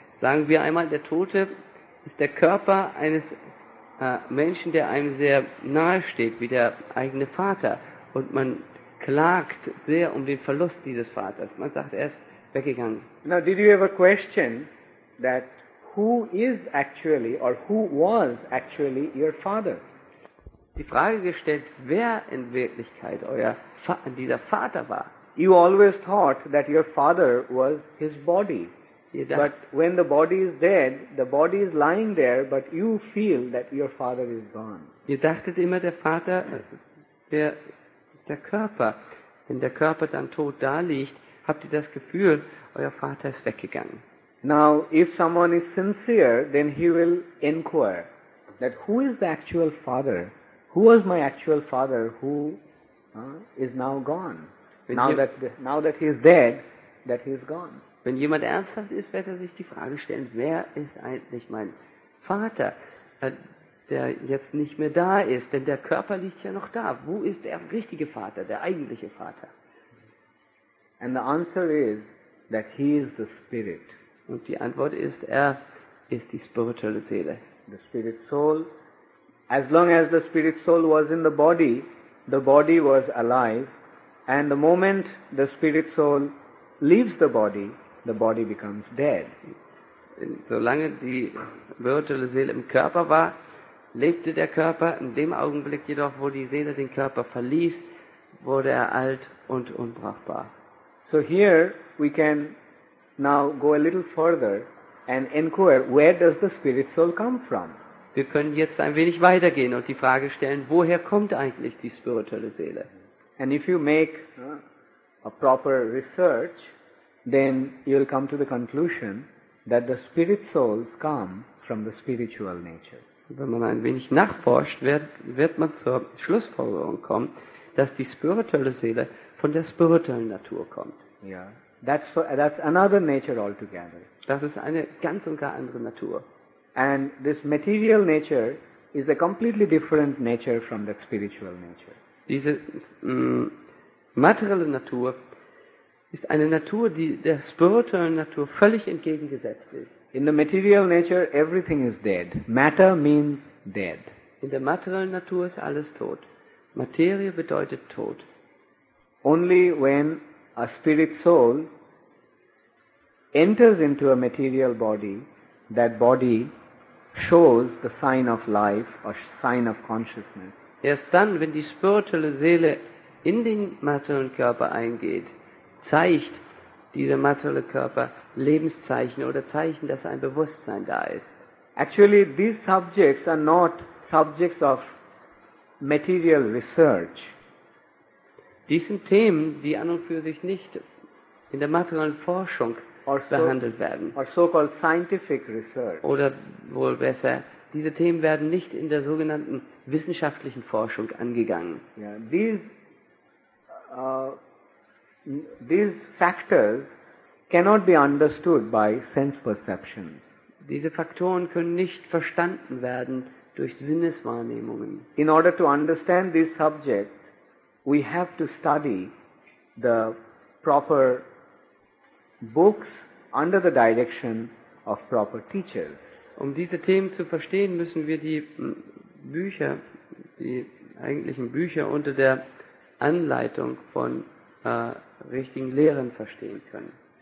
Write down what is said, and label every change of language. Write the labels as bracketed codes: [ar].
[de] Sagen wir einmal, der Tote ist der Körper eines Menschen, der einem sehr nahe steht, wie der eigene Vater, und man klagt sehr um den Verlust dieses Vaters. Man sagt, ist weggegangen. [en] Now, did you ever question that who is actually or who was actually your father? [de] Die Frage gestellt, wer in Wirklichkeit dieser Vater war. [en] You always thought that your father was his body. But when the body is dead, the body is lying there, but you feel that your father is gone. [de] Ihr dachtet immer, der Vater, der Körper. Wenn der Körper dann tot da liegt, habt ihr das Gefühl, euer Vater ist weggegangen. [en] Now, if someone is sincere, then he will inquire that who is the actual father? Who was my actual father who is now gone? Now that he is dead, that he is gone. [de] Wenn jemand ernsthaft ist, wird er sich die Frage stellen, wer ist eigentlich mein Vater, der jetzt nicht mehr da ist, denn der Körper liegt ja noch da. Wo ist der richtige Vater, der eigentliche Vater? [en] And the answer is that he is the spirit. [de] Und die Antwort ist, ist die spirituelle Seele. [en] The spirit soul. As long as the spirit soul was in the body was alive. And the moment the spirit soul leaves the body becomes dead. [de] Solange die virtuelle Seele im Körper war, lebte der Körper. In dem Augenblick jedoch, wo die Seele den Körper verließ, wurde alt und unbrauchbar. [en] So here we can now go a little further and inquire, where does the spirit soul come from? [de] Wir können jetzt ein wenig weitergehen und die Frage stellen, woher kommt eigentlich die spirituelle Seele? [en] And if you make a proper research, then you'll come to the conclusion that the spirit souls come from the spiritual nature. [de] Wenn man ein wenig nachforscht, wird man zur Schlussfolgerung kommen, dass die spirituelle Seele von der spirituellen Natur kommt. [en] Yeah. That's another nature altogether. [de] Das ist eine ganz und gar andere Natur. [en] And this material nature is a completely different nature from that spiritual nature. [de] Diese materielle Natur ist eine Natur, die der spirituellen Natur völlig entgegengesetzt ist. [en] In the material nature, everything is dead. Matter means dead. [de] In der materiellen Natur ist alles tot. Materie bedeutet tot. [en] Only when a spirit soul enters into a material body, that body shows the sign of life or sign of consciousness. [de] Erst dann, wenn die spirituelle Seele in den materiellen Körper eingeht, zeigt dieser materielle Körper Lebenszeichen oder Zeichen, dass ein Bewusstsein da ist. [en] Actually, these subjects are not subjects of material research. [de] Dies sind Themen, die an und für sich nicht in der materiellen Forschung behandelt werden. [en] Or so-called scientific research. [de] Oder wohl besser, diese Themen werden nicht in der sogenannten wissenschaftlichen Forschung angegangen. [en] Yeah, these factors cannot be understood by sense perceptions. [de] Diese Faktoren können nicht verstanden werden durch Sinneswahrnehmungen. [en] In order to understand these subjects, we have to study the proper books under the direction of proper teachers. [de] Um diese Themen zu verstehen, müssen wir die Bücher, die eigentlichen Bücher unter der Anleitung von richtigen Lehren verstehen können.